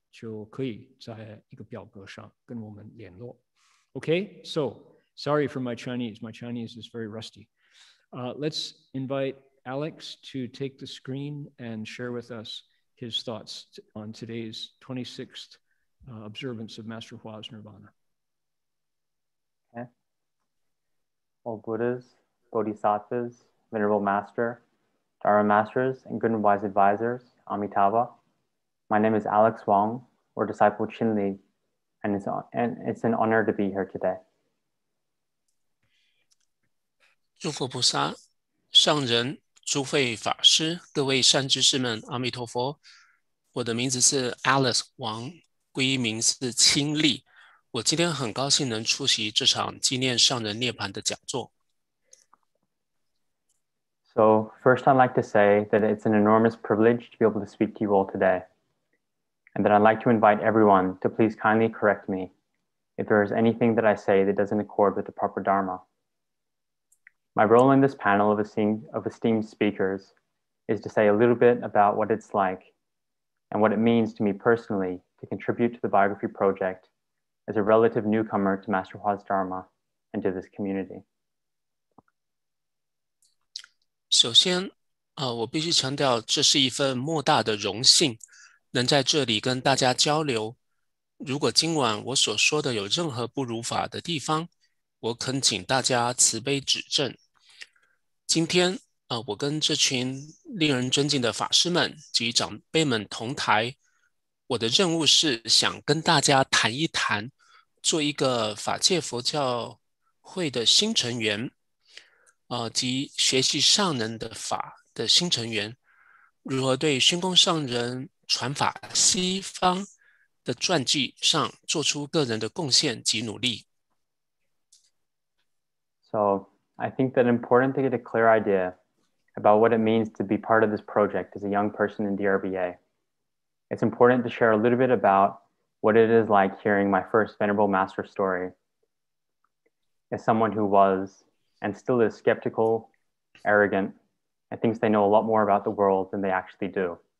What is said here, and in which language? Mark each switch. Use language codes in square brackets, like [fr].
[zh] 就可以在一个表格上跟我们联络。 [en] Okay, so sorry for my Chinese. My Chinese is very rusty. Let's invite Alex to take the screen and share with us his thoughts on today's 26th observance of Master Hua's Nirvana. Okay. All Buddhas, Bodhisattvas, Venerable Master, Dharma Masters, and good and wise advisors, Amitabha. My name is Alex Wong, or disciple Qin Li, and it's an honor to be here today. [zh] 诸佛菩萨、上人、诸位法师、各位善知识们，阿弥陀佛。我的名字是 Alex Wong， 皈依名是清丽。我今天很高兴能出席这场纪念上人涅槃的讲座。So [en] first, I'd like to say that it's an enormous privilege to be able to speak to you all today. And that I'd like to invite everyone to please kindly correct me if there is anything that I say that doesn't accord with the proper Dharma. My role in this panel of esteemed speakers is to say a little bit about what it's like and what it means to me personally to contribute to the biography project as a relative newcomer to Master Hua's Dharma and to this community. [zh] 首先，我必须强调，这是一份莫大的荣幸。能在这里跟大家交流，如果今晚我所说的有任何不如法的地方，我恳请大家慈悲指正。今天，我跟这群令人尊敬的法师们及长辈们同台，我的任务是想跟大家谈一谈做一个法界佛教会的新成员，及学习上人的法的新成员，如何对宣公上人传法西方的传记上做出个人的贡献及努力。 [en] So I think that important to get a clear idea about what it means to be part of this project as a young person in DRBA. It's important to share a little bit about what it is like hearing my first Venerable Master story. As someone who was and still is skeptical, arrogant, and thinks they know a lot more about the world than they actually do.